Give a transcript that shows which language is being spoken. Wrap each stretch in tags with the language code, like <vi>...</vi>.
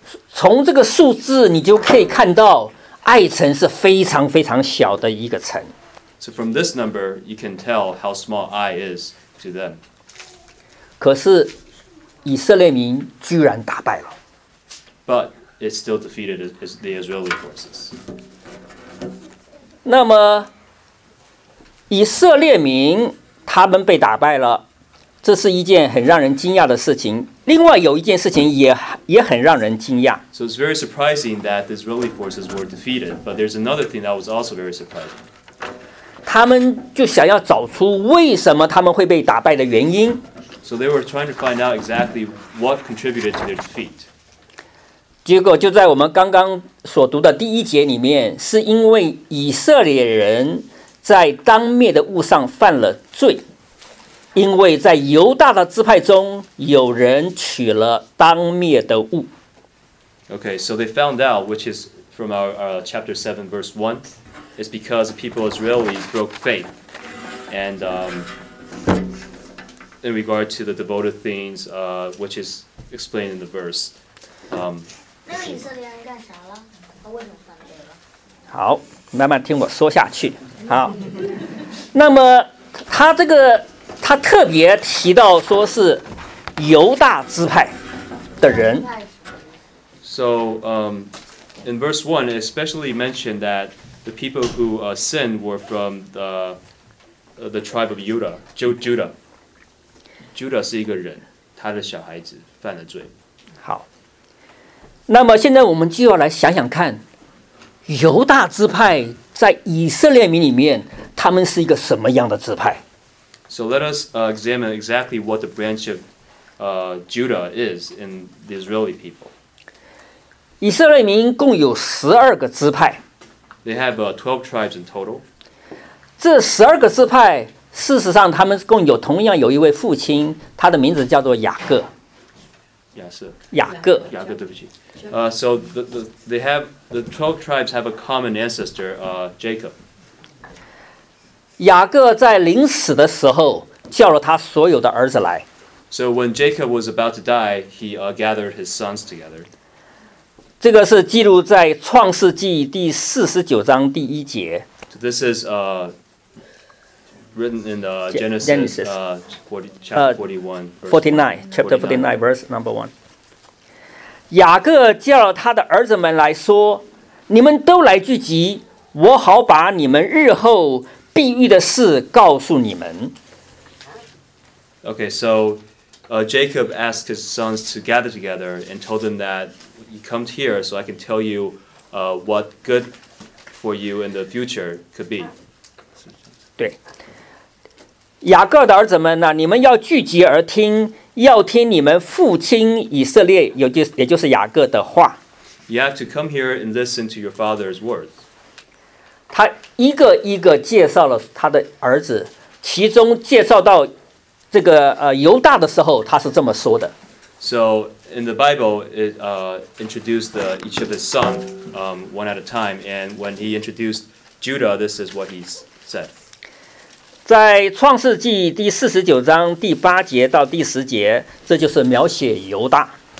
<zh>从这个数字你就可以看到爱城是非常非常小的一个城。</zh> <en>So from this number, you can tell how small Ai is to them.</en> <zh>可是以色列民居然打败了。</zh> <en>But it still defeated the Israeli forces.</en> <zh>那么以色列民他们被打败了，这是一件很让人惊讶的事情。另外有一件事情 也很让人惊讶。</zh> <en>So it's very surprising that the Israeli forces were defeated, but there's another thing that was also very surprising.</en> <zh>他们就想要找出为什么他们会被打败的原因。</zh> <en>So they were trying to find out exactly what contributed to their defeat.</en> <zh>结果就在我们刚刚所读的第一节里面，是因为以色列人在当灭的物上犯了罪，因为在犹大的支派中有人取了当灭的物。</zh> <en>Okay, so they found out, which is from our chapter 7, verse 1, is because the people of Israel broke faith and in regard to the devoted things, which is explained in the verse.</en> <zh>那以色列人干啥了？他为什么犯罪了？好，慢慢听我说下去。好，那么他这个他特别提到说是犹大支派的人。</zh> <en>So, in verse 1, it especially mentioned that the people who sinned were from the tribe of Judah.</en> <zh>Judah. Judah 是一个人，他的小孩子犯了罪。好，那么现在我们就要来想想看，犹大支派在以色列民里面，他们是一个什么样的支派？</zh> <en>So let us examine exactly what the branch of Judah is in the Israeli people.</en> <zh>以色列民共有12个支派。</zh> <en>They have 12 tribes in total.</en> <zh>这12个支派，事实上他们共有同样有一位父亲，他的名字叫做雅各。雅各，对不起。</zh> <en>So the 12 tribes have a common ancestor, Jacob.</en> <zh>雅各在临死的时候叫了他所有的儿子来。</zh> <en>So when Jacob was about to die, he gathered his sons together.</en> <zh>这个是记录在创世纪第49章第一节。</zh> <en>So this is written in Genesis chapter 49, verse number 1.</en> <zh>雅各叫了他的儿子们来说，你们都来聚集，我好把你们日后必遇的事告诉你们。</zh> <en>Okay, so Jacob asked his sons to gather together and told them that you come here so I can tell you what good for you in the future could be.</en> <zh>对，雅各的儿子们呢，你们要聚集而听，要听你们父亲以色列，也就是雅各的话。</zh> <en>You have to come here and listen to your father's words.</en> <zh>他一个一个介绍了他的儿子，其中介绍到这个犹大的时候，他是这么说的。</zh> <en>So in the Bible, it introduced each of his sons one at a time, and when he introduced Judah, this is what he said.</en> <zh>在创世纪第四十九章第八节到第十节，这就是描写犹大。</zh>